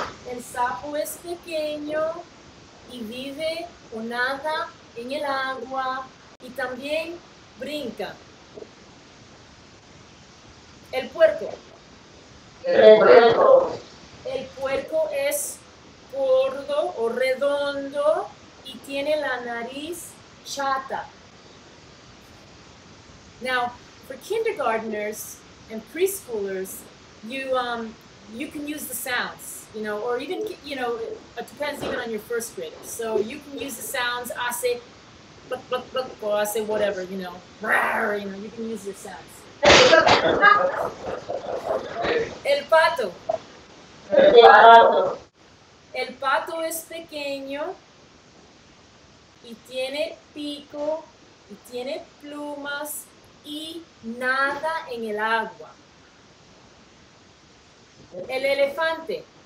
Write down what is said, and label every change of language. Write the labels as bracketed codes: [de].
[es] El sapo es pequeño y vive o nada en el agua y también brinca. El puerco. El puerco. El puerco es gordo o redondo y tiene la nariz chata. [en] Now, for kindergartners and preschoolers, you can use the sounds, you know, or even, you know, it depends even on your first grader. So you can use the sounds, hace, bluk, bluk, bluk, or hace whatever, you know, rawr, you know, you can use your sounds. [es] El pato. El pato. El pato es pequeño y tiene pico y tiene plumas y nada en el agua. El elefante.